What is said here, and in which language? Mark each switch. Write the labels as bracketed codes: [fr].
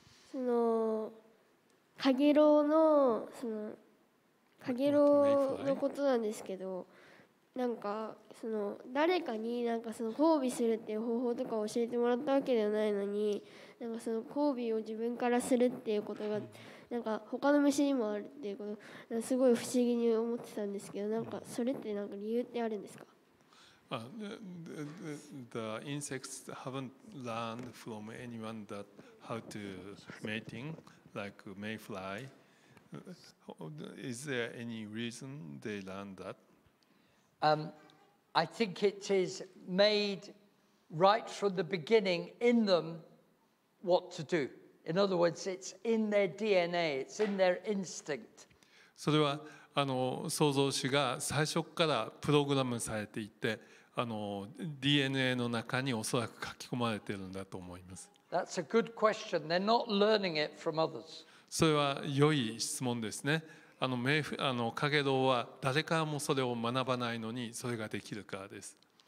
[ja] その、カゲロウの、その、カゲロウのことなんですけど、なんか、その、誰かになんかその、交尾するっていう方法とか教えてもらったわけではないのに、なんかその、交尾を自分からするっていうことが、なんか、他の虫にもあるっていうこと、すごい不思議に思ってたんですけど、なんか、それってなんか理由ってあるんですか？ [en] The insects haven't learned from anyone that how to mating, like mayfly. Is there any reason they learned that? I think it is made right from the beginning in them what to do. In other words, it's in their DNA. It's in their instinct. [ja] それはあの創造主が最初からプログラムされていて。 DNA の中におそらく書き込まれているんだと思います。 [en] That's a good question. They're not learning it from others. [ja] それは良い質問ですね。カゲロウは誰からもそれを学ばないのにそれができるからです。